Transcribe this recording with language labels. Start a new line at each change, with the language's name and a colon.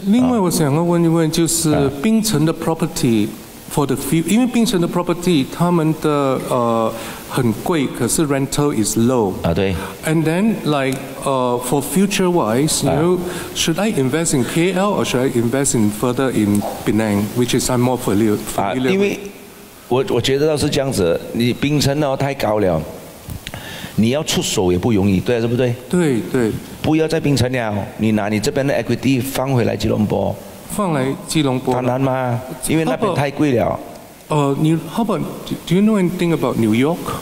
Chinese: 另外我想要问一问，就是槟城的
English: property for the few，
Chinese: 因为槟城的 property 他们的很贵，可是
English: rental is low。
Chinese: 啊，对。
English: And then like for future wise， you know， should I invest in KL or should I invest in further in Penang， which is I'm more familiar with。
Chinese: 啊，因为我觉得倒是这样子，你槟城哦太高了，你要出手也不容易，对还是不对？对对。不要在槟城了，你拿你这边的 equity 放回来吉隆坡。放来吉隆坡。当然嘛，因为那边太贵了。
English: How about do you know anything about New York？